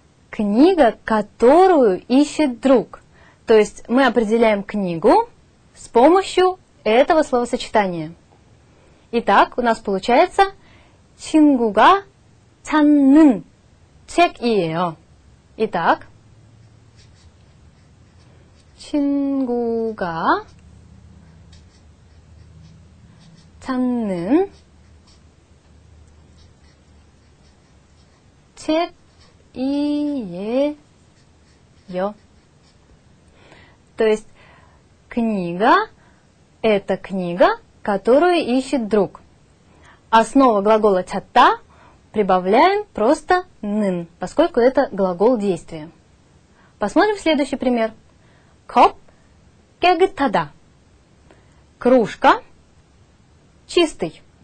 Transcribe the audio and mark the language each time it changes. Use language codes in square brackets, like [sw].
[ru] Книга, которую ищет друг. То есть мы определяем книгу с помощью этого словосочетания. Итак, у нас получается [ko] 친구가 찾는 책이에요. Итак, 친구가 찾는 책이에요. [ru] То есть книга – это книга, которую ищет друг. Основа глагола «чатта» прибавляем просто «нын», поскольку это глагол действия. Посмотрим следующий пример. «Коп кегтада» – кружка, чистый.